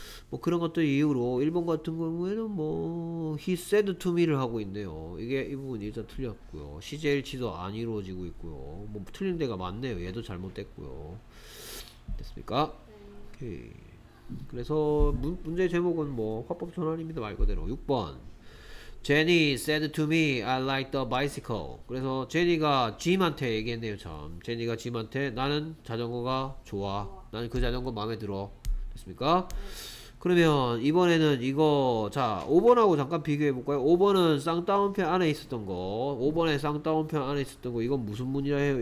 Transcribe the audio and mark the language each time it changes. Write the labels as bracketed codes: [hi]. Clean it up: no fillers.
[ko] 뭐 그런 것들 이유로 1번 같은 경우에는 뭐 [en] he said to me [ko] 를 하고 있네요. 이게 이 부분이 일단 틀렸고요. 시제일치도 안 이루어지고 있고요. 뭐 틀린 데가 많네요. 얘도 잘못됐고요. 됐습니까? 오케이. 그래서 문제 제목은 뭐 화법 전환입니다. 말 그대로 6번. [en] Jenny said to me, I like the bicycle. [ko] 그래서 제니가 짐한테 얘기했네요. 참, 제니가 짐한테 나는 자전거가 좋아. 나는 그 자전거 마음에 들어. 됐습니까? 그러면 이번에는 이거 자 5번하고 잠깐 비교해 볼까요? 5번은 쌍따옴표 안에 있었던 거, 5번에 쌍따옴표 안에 있었던 거, 이건 무슨 문이라 해요?